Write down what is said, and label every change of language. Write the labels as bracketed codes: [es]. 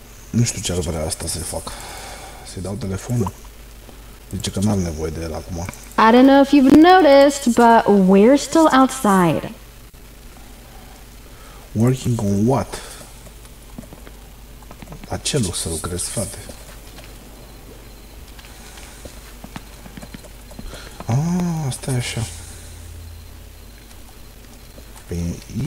[ro] Nu știu ce ar vrea asta să-i fac. Să-i dau telefonul? Zice că n-am nevoie de el acum. [en] I don't know if you've noticed, but we're still outside. Working on what? [ro] La ce loc să lucrezi, frate? Ah, stai așa. Păi...